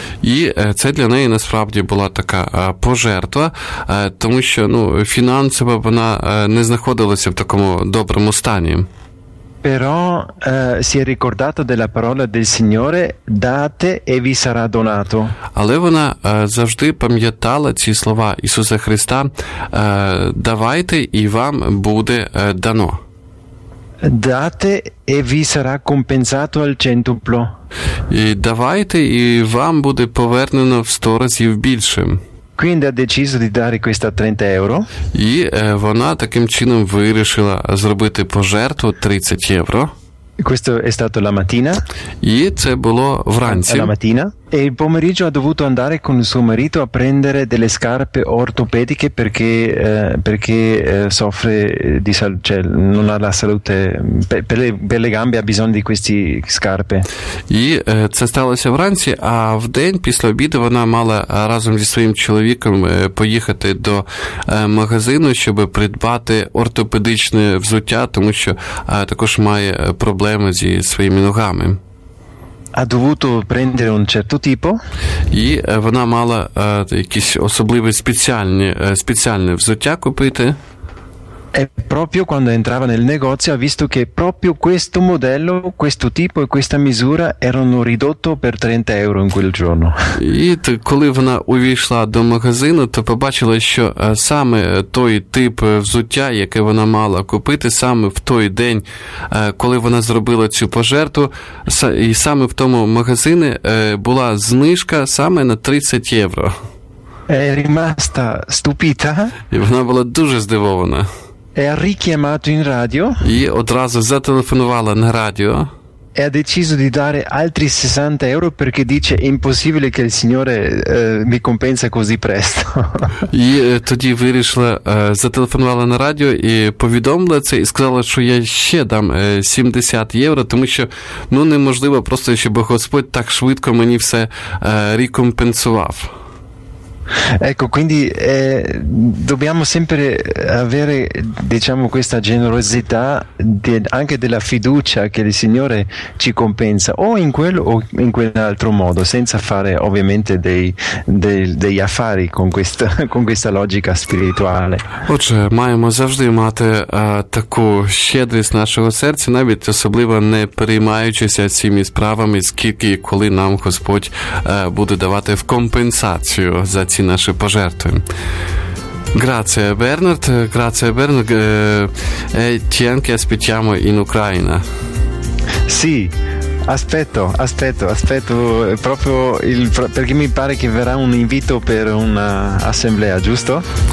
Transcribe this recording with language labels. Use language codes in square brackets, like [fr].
[uk] І це для неї насправді була така пожертва, тому що, ну, фінансово вона не знаходилася в такому доброму стані. [it] Però si è ricordata della parola del Signore: date e vi sarà donato. [uk] Але вона завжди пам'ятала ці слова Ісуса Христа: давайте і вам буде дано. [it] Date e vi sarà compensato al centuplo. [uk] І давайте і вам буде повернено в 100 разів більше. [it] Quindi ha deciso di dare questa 30 euro. [uk] І вона таким чином вирішила зробити пожертву 30 євро. [it] Questo è stato la mattina. [uk] І це було вранці. [it] La mattina. E il pomeriggio ha dovuto andare con suo marito a prendere delle scarpe ortopediche perché soffre di cioè non ha la salute per le gambe, ha bisogno di queste scarpe. [uk] І це сталося вранці, а вдень після обіду вона мала разом зі своїм чоловіком поїхати до магазину, щоб придбати ортопедичне взуття, тому що також має проблеми зі своїми ногами. [it] Ha dovuto prendere un certo tipo. [uk] І вона мала якісь особливі спеціальне взуття купити. [it] E proprio quando entrava nel negozio ha visto che proprio questo modello, questo tipo e questa misura erano ridotto per 30 euro in quel giorno. [uk] І коли вона увійшла до магазину, то побачила, що саме той тип взуття, яке вона мала купити, саме в той день, коли вона зробила цю пожертву, і саме в тому магазині була знижка саме на 30 євро. [it] È rimasta stupita. [uk] І вона була дуже здивована. [it] E ha richiamato in radio. [uk] І одразу зателефонувала на радіо. [it] E ha deciso di dare altri 60 euro perché dice è impossibile che il Signore mi compensa così presto. [uk] І тоді вирішила, зателефонувала на радіо і повідомила це і сказала, що я ще дам 70 євро, тому що, ну, неможливо просто, щоб Господь так швидко мені все рекомпенсував. [it] Ecco, quindi dobbiamo sempre avere, diciamo, questa generosità anche della fiducia che il Signore ci compensa o in quello o in quell'altro modo, senza fare ovviamente degli affari con questa logica spirituale. [uk] Отже, маємо завжди мати таку щедрість нашого серця, навіть особливо не переймаючися цими справами, скільки і коли нам Господь буде давати в компенсацію за ці наші пожертви. [it] Grazie Bernard, ti anche aspettiamo in Ucraina. Sì, aspetto proprio perché mi pare che verrà un invito per un'assemblea, giusto?